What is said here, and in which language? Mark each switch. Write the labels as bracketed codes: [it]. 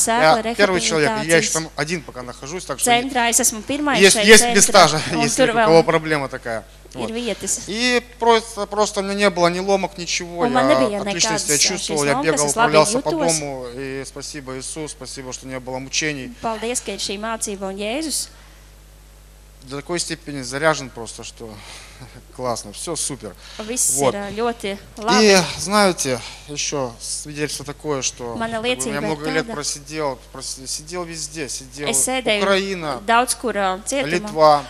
[ru] Я первый человек, я еще там один пока нахожусь, так центра, что есть, пирма, есть, есть места же, если у кого проблема такая. Вот. И просто у меня не было ни ломок, ничего, я отлично себя чувствовал, я бегал, управлялся по дому, и спасибо Иисус, спасибо, что не было мучений. [lv] Paldies, ka ir šī mācība un Jēzus. [ru] До такой степени заряжен просто, что классно, все супер. [lv] Viss вот. Ir ļoti labi. [ru] И знаете, еще свидетельство такое, что я много лет просидел везде, сидел Украина, [lv] daudz kur cietumā,